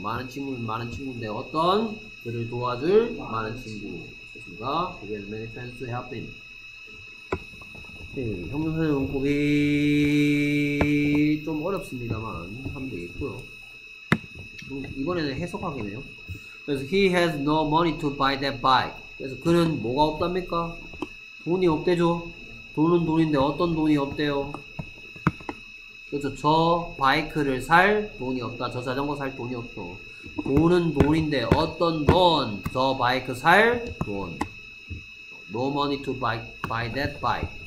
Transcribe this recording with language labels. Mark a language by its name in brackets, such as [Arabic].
[Korean] 많은 친구는 많은 친구인데 어떤 그를 도와줄 많은 친구. 그렇습니까? 그게 [English] many friends to help him. [Korean] 네, 형용사적 용법이 좀 어렵습니다만 하면 되겠고요. 이번에는 해석하기네요. 그래서 [English] he has no money to buy that bike. [Korean] 그래서 그는 뭐가 없답니까? 돈이 없대죠. 돈은 돈인데 어떤 돈이 없대요? 그렇죠. 저 바이크를 살 돈이 없다. 저 자전거 살 돈이 없죠. 돈은 돈인데 어떤 돈? 저 바이크 살 돈. [English] No money to buy that bike.